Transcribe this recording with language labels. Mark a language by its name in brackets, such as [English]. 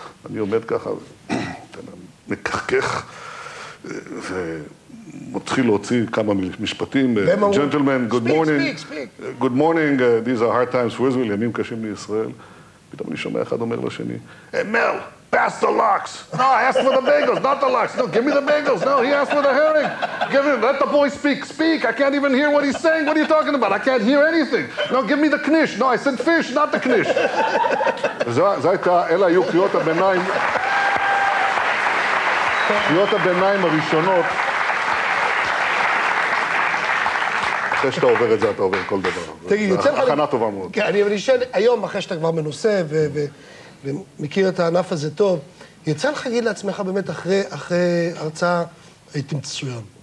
[Hebrew] אני עומד ככה, מקחקח, ומתחיל להוציא כמה משפטים. [English] ג'נטלמן, גוד מורנינג. גוד מורנינג, these are hard times for Israel, [Hebrew] ימים קשים לישראל. פתאום אני שומע אחד אומר לשני, מל, [English] That's the lox. No, I asked for the bagels, not the lox. No, give me the bagels. No, he asked for the herring. Give him, let the boy speak. Speak, I can't even hear what he's saying. What are you talking about? I can't hear anything. No, give me the knish. No, I said fish, not the knish. [Hebrew] זה הייתה, אלה היו קריאות הביניים. קריאות הביניים הראשונות. אחרי שאתה עובר את זה, אתה עובר כל דבר. תגיד, יוצא לך... הכנה טובה מאוד. כן, אבל אני שואל, היום, אחרי שאתה כבר מנוסה ומכיר את הענף הזה טוב, יצא לך להגיד לעצמך באמת אחרי הרצאה, הייתי מצוין.